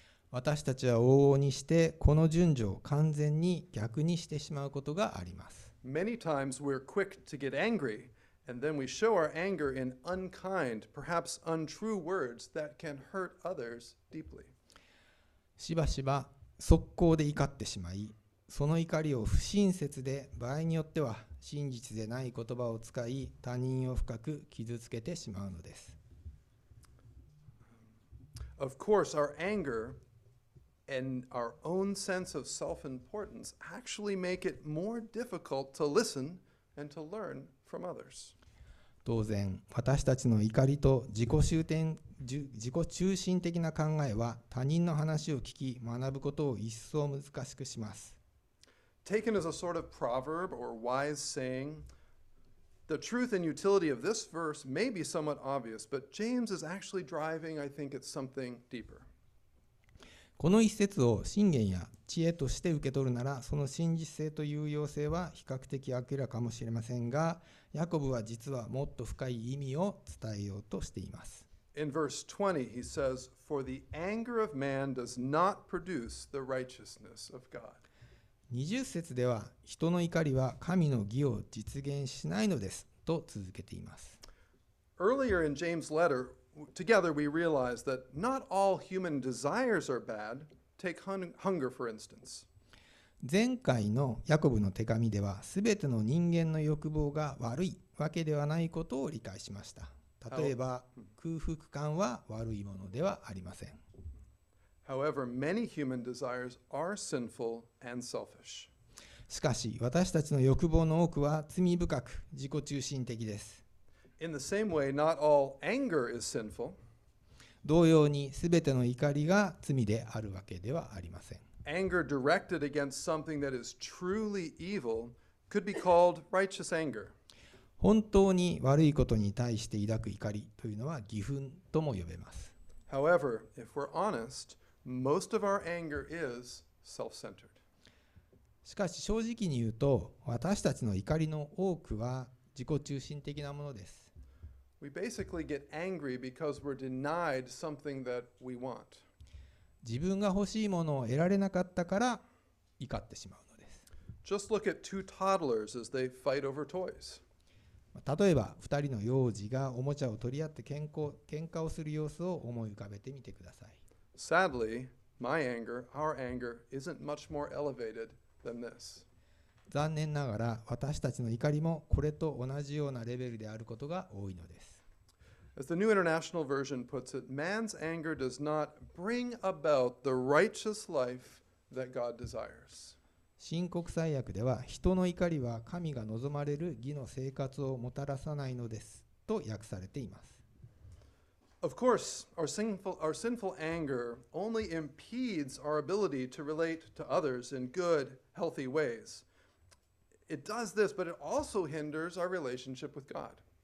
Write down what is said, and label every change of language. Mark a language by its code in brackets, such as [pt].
[ja] 私たちは往々にしてこの順序を完全に逆にしてしまうことがあります。 [en] Many times we're quick to get angry, and then we show our anger in unkind, perhaps untrue words that can hurt others deeply. [ja] しばしば速攻で怒ってしまい、その怒りを不親切で、場合によっては真実でない言葉を使い、他人を深く傷つけてしまうのです。 [en] Of course, our anger and our own sense of self-importance actually make it more difficult to listen and to learn from others. [ja] 当然、私たちの怒りと自己中心的な考えは、他人の話を聞き、学ぶことを一層難しくします。 [en] Taken as a sort of proverb or wise saying, the truth and utility of this verse may be somewhat obvious, but James is actually driving, I think, at something deeper. [ja] この一節を箴言や知恵として受け取るなら、その真実性と有用性は比較的明らかもしれませんが、ヤコブは実はもっと深い意味を伝えようとしています。 [en] In verse 20, he says, "For the anger of man does not produce the righteousness of God." [ja] 20節では、人の怒りは神の義を実現しないのですと続けています。 [en] Earlier in James' letter, together we realized that not all human desires are bad. Take hunger, for instance. [ja] 前回のヤコブの手紙では、すべての人間の欲望が悪いわけではないことを理解しました。例えば、空腹感は悪いものではありません。 [en] However, many human desires are sinful and selfish. [ja] しかし、私たちの欲望の多くは罪深く、自己中心的です。 [en] In the same way, not all anger is sinful. [ja] 同様に、すべての怒りが罪であるわけではありません。 [en] Anger directed against something that is truly evil could be called righteous anger. [ja] 本当に悪いことに対して抱く怒りというのは義憤とも呼べます。 [en] However, if we're honest,Most of our anger is self-centered. [ja] しかし正直に言うと、私たちの怒りの多くは自己中心的なものです。 [en] We basically get angry because we're denied something that we want. [ja] 自分が欲しいものを得られなかったから怒ってしまうのです。 [en] Just look at two toddlers as they fight over toys. [ja] 例えば、2人の幼児がおもちゃを取り合って喧嘩をする様子を思い浮かべてみてください。 [en] Sadly, my anger, our anger, isn't much more elevated than this. [ja] 残念ながら、私たちの怒りもこれと同じようなレベルであることが多いのです。 [en] As the New International Version puts it, man's anger does not bring about the righteous life that God desires. [ja] 新国際訳では、人の怒りは神が望まれる義の生活をもたらさないのですと訳されています。 [en] Of course, our sinful anger only impedes our ability to relate to others in good, healthy ways. It does this, but it also hinders our relationship with God.